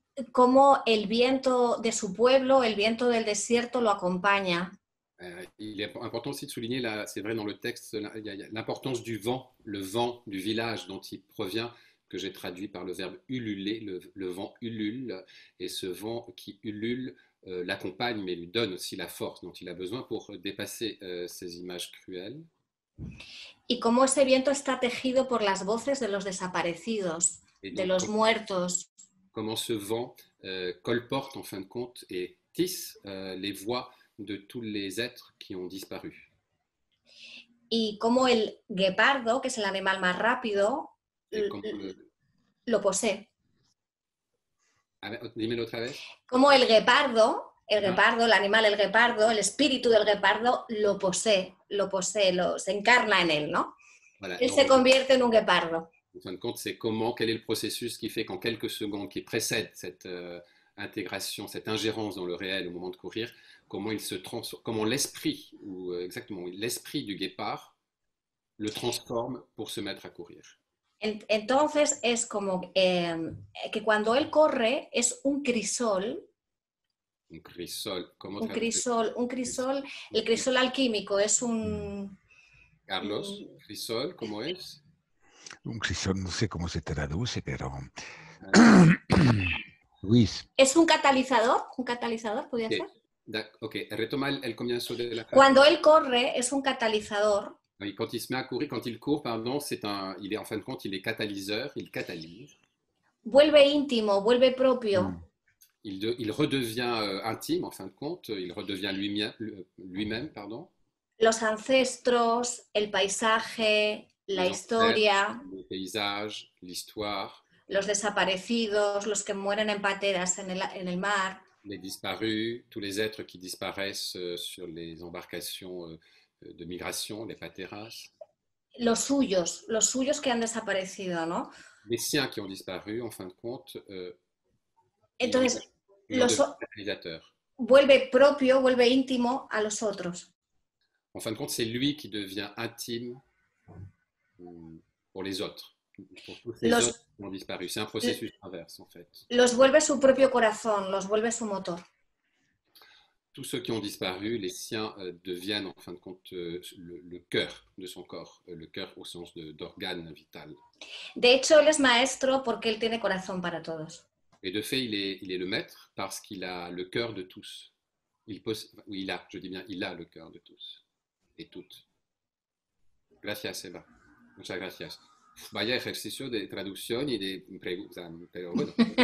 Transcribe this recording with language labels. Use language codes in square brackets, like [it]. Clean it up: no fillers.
[es] Como el viento de su pueblo, el viento del desierto lo acompaña. [fr] Il est important aussi de souligner, la, c'est vrai dans le texte, l'importance du vent, le vent du village dont il provient, que j'ai traduit par le verbe ululer, le vent ulule, et ce vent qui ulule l'accompagne, mais lui donne aussi la force dont il a besoin pour dépasser ces images cruelles. [es] Y cómo ese viento está tejido por las voces de los desaparecidos, [fr] donc, [es] de los muertos. [fr] Comment ce vent colporte en fin de compte et tisse les voix de tous les êtres qui ont disparu. [es] Y como el guepardo, que es el animal más rápido, lo posee. A ver, dímelo otra vez. Como el guepardo, el animal, el guepardo, el espíritu del guepardo, lo posee, se encarna en él, ¿no? Voilà, él se convierte en un guepardo. [fr] En fin de compte, c'est comment, quel est le processus qui fait qu'en quelques secondes qui précèdent cette intégration, cette ingérence dans le réel au moment de courir, comment il se transforme, comment l'esprit, ou exactement l'esprit du guépard, le transforme pour se mettre à courir. [es] Entonces es como que cuando él corre es un crisol. Un crisol. Un crisol. Un crisol. El crisol alquímico es un. Carlos, crisol, ¿cómo es? Un crisol, no sé cómo se traduce, pero. Luis. Es un catalizador. Un catalizador, podría ser. Ok, retoma el comienzo de la frase. Cuando él corre, es un catalizador. [fr] Oui, quand il se met à courir, quand il court, pardon, c'est un, il est en fin de compte, il est catalyseur, il catalyse. [es] Vuelve íntimo, vuelve propio. [fr] Il redevient intime, en fin de compte, il redevient lui-même, pardon. [es] Los ancestros, el paisaje, la historia. [fr] Les paysages, l'histoire. [es] Los desaparecidos, los que mueren en pateras en el mar. [fr] Les disparus, tous les êtres qui disparaissent sur les embarcations de migration, les pateras. [es] Los suyos que han desaparecido, ¿no? [fr] Les siens qui ont disparu, en fin de compte. [es] Entonces, les vuelve propio, vuelve íntimo a los otros. [fr] En fin de compte, c'est lui qui devient intime pour les autres. Pour tous les autres. Ont disparu. C'est un processus inverse, en fait. [es] Los vuelve su propio corazón, los vuelve su motor. [fr] Tous ceux qui ont disparu, les siens deviennent, en fin de compte, le cœur de son corps, le cœur au sens de, d'organe vital. [es] De hecho, él es maestro porque él tiene corazón para todos. [fr] Et de fait, il est le maître parce qu'il a le cœur de tous. Il a le cœur de tous et toutes. [es] Gracias, Eva. Muchas gracias. Vaya ejercicio de traducción y de preguntas, pero bueno.